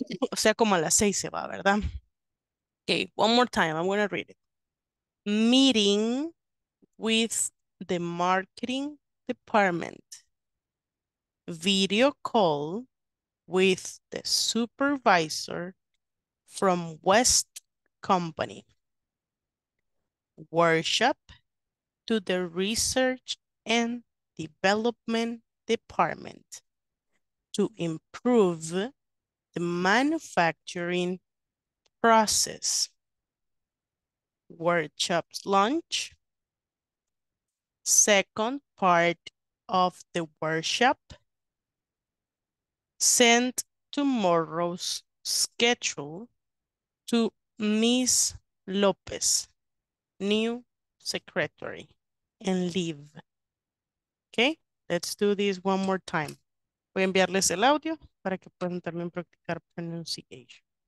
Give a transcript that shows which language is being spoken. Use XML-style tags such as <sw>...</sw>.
<es>O sea, como a las 6 se va, ¿verdad?</es> <en>Okay, one more time, I'm going to read it. Meeting with the marketing department. Video call with the supervisor from West Company. Workshop to the research and development department to improve the manufacturing process. workshops lunch. Second part of the workshop. Send tomorrow's schedule to Miss Lopez, new secretary, and leave. Okay, let's do this one more time.</en> <es>Voy a enviarles el audio para que puedan también practicar pronunciation.</es>